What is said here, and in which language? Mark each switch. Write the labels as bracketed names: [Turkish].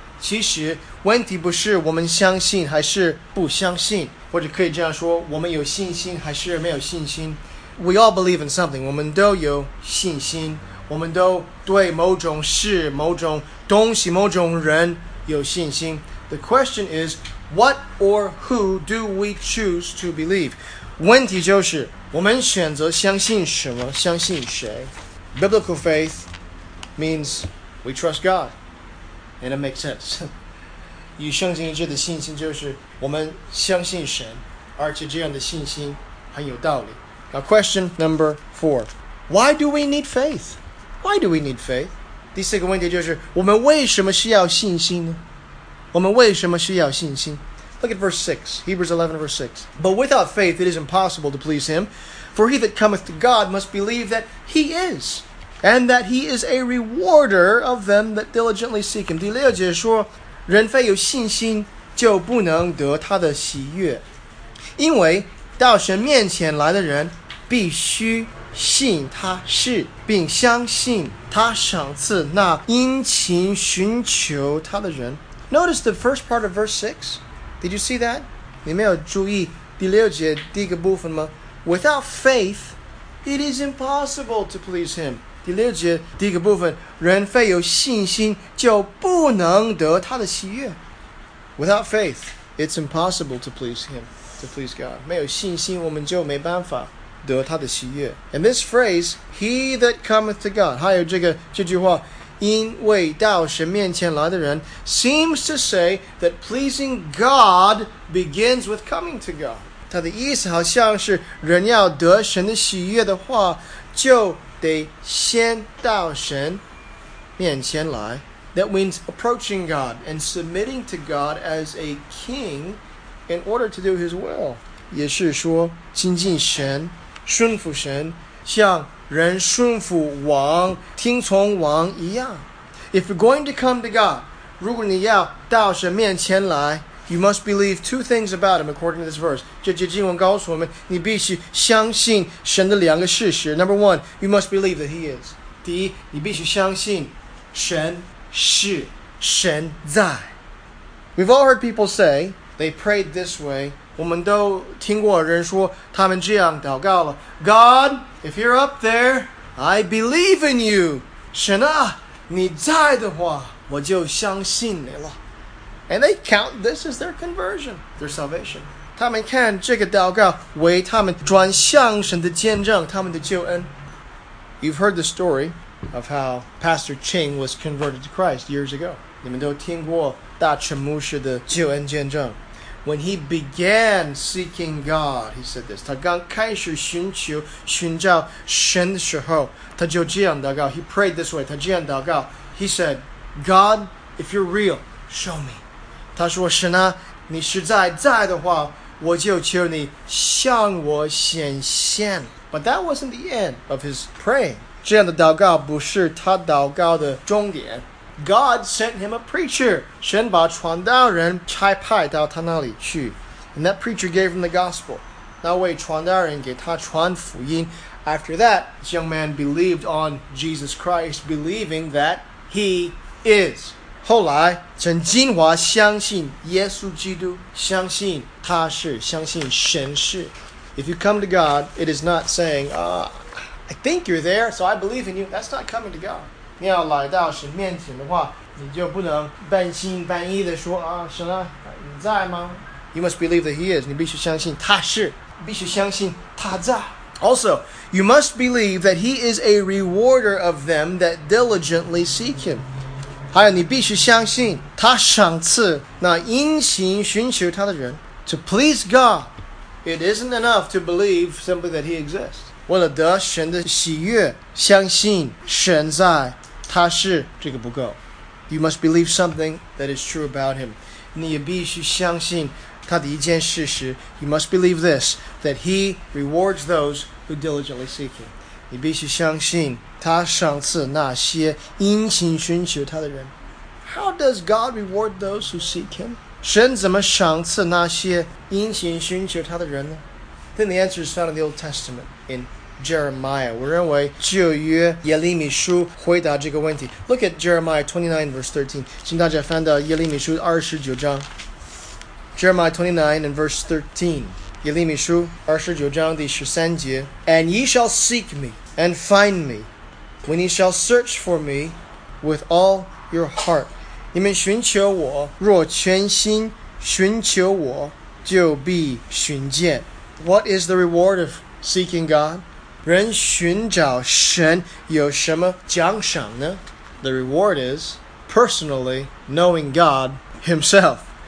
[Chinese] 其实问题不是我们相信还是不相信，或者可以这样说，我们有信心还是没有信心。 [English] We all believe in something. [Chinese] 我们都有信心，我们都对某种事、某种东西、某种人有信心。 [English] The question is, what or who do we choose to believe? [Chinese] 问题就是我们选择相信什么，相信谁。 [English] Biblical faith means we trust God, and it makes sense. [Chinese] 与圣经一致的信心就是我们相信神，而且这样的信心很有道理。 [English] Now, question number 4. Why do we need faith? Why do we need faith? [Chinese] 第四个问题就是我们为什么需要信心呢？我们为什么需要信心？ [English] Look at verse 6, Hebrews 11, verse 6. But without faith, it is impossible to please him. For he that cometh to God must believe that he is, and that he is a rewarder of them that diligently seek him. [Chinese] 第六节说，人非有信心，就不能得他的喜悦。因为到神面前来的人必须信他是，并相信他赏赐那殷勤寻求他的人。 [English] Notice the first part of verse 6. Did you see that? [Chinese] 你没有注意第六节第一个部分吗？ [English] Without faith, it is impossible to please him. [Chinese] 第六节第一个部分，人非有信心就不能得他的喜悦。 [English] Without faith, it's impossible to please him, to please God. [Chinese] 没有信心我们就没办法得他的喜悦。 [English] And this phrase, he that cometh to God, [Chinese] 还有这句话，因为到神面前来的人 [English] seems to say that pleasing God begins with coming to God. [Chinese] 他的意思好像是人要得神的喜悦的话就得先到神面前来。 [English] That means approaching God and submitting to God as a king in order to do his will. [Chinese] 也是说亲近神，顺服神，像人顺服王，听从王一样。 [English] If you're going to come to God, [Chinese] 如果你要到神面前来， [English] you must believe two things about him according to this verse. [Chinese] 这节经文告诉我们，你必须相信神的两个事实。 [English] Number one, you must believe that he is. [Chinese] 第一，你必须相信神是，神在。 [English] We've all heard people say, they prayed this way. [Chinese] 我们都听过人说，他们这样祷告了。 [English] God,If you're up there, I believe in you. [Chinese] 神啊，你在的话，我就相信你了。 [English] And they count this as their conversion, their salvation. [Chinese] 他们看这个祷告为他们转向神的见证，他们的救恩。 [English] You've heard the story of how Pastor Ching was converted to Christ years ago. [Chinese] 你们都听过大陈牧师的救恩见证。 [English] When he began seeking God, he said this. [Chinese] 他刚开始寻找神的时候，他就这样祷告。 [English] He prayed this way. [Chinese] 他这样祷告。 [English] He said, God, if you're real, show me. [Chinese] 他说，神啊，你实在在的话，我就求你向我显现。 [English] But that wasn't the end of his praying. [Chinese] 这样的祷告不是他祷告的终点。 [English] God sent him a preacher. [Chinese] 神把传道人差派到他那里去。 [English] And that preacher gave him the gospel. [Chinese] 那位传道人给他传福音。 [English] After that, this young man believed on Jesus Christ, believing that he is. [Chinese] 后来，陈金华相信耶稣基督，相信他是，相信神是。 [English] If you come to God, it is not saying, I think you're there, so I believe in you. That's not coming to God. [Chinese] 你要来到神面前的话，你就不能半信半疑的说啊，神啊，你在吗？ [English] You must believe that he is. [Chinese] 你必须相信他是，必须相信他在。 [English] Also, you must believe that he is a rewarder of them that diligently seek him. [Chinese] 还有你必须相信他赏赐那殷勤寻求他的人。 [English] To please God, it isn't enough to believe simply that he exists. [Chinese] 为了得神的喜悦，相信神在，他是，这个不够。 [English] You must believe something that is true about him. [Chinese] 你也必须相信他的一件事实。 [English] You must believe this, that he rewards those who diligently seek him. [Chinese] 你必须相信他赏赐那些殷勤寻求他的人。 [English] How does God reward those who seek him? [Chinese] 神怎么赏赐那些殷勤寻求他的人呢？ [English] Then the answer is found in the Old Testament in Jeremiah. [Chinese] 我认为旧约耶利米书回答这个问题。 [English] Look at Jeremiah 29 verse 13. [Chinese] 请大家翻到耶利米书二十九章。 [English] Jeremiah 29 and verse 13. [Chinese] 耶利米书二十九章第十三节。 [English] And ye shall seek me and find me, when ye shall search for me with all your heart. [Chinese] 你们寻求我，若全心寻求我，就必寻见。 [English] What is the reward of seeking God? [Chinese] 人寻找神有什么奖赏呢? [English] The reward is personally knowing God himself.